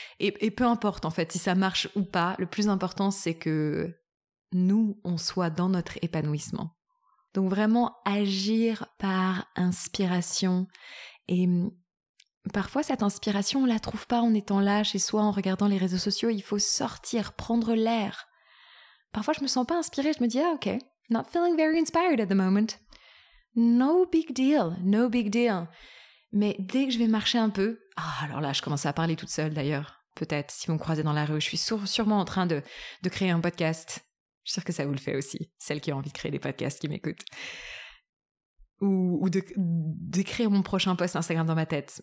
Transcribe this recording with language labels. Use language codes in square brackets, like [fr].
[fr] Et peu importe, en fait, si ça marche ou pas, le plus important, c'est que nous, on soit dans notre épanouissement. Donc vraiment agir par inspiration. Et parfois, cette inspiration, on la trouve pas en étant là chez soi, en regardant les réseaux sociaux. Il faut sortir, prendre l'air. Parfois, je me sens pas inspirée. Je me dis, ok. [en] Not feeling very inspired at the moment. No big deal, no big deal. [fr] Mais dès que je vais marcher un peu, alors là, je commence à parler toute seule d'ailleurs, peut-être, si vous me croisez dans la rue, je suis sûrement en train de créer un podcast. Je suis sûre que ça vous le fait aussi, celles qui ont envie de créer des podcasts qui m'écoutent. Ou de créer mon prochain post Instagram dans ma tête.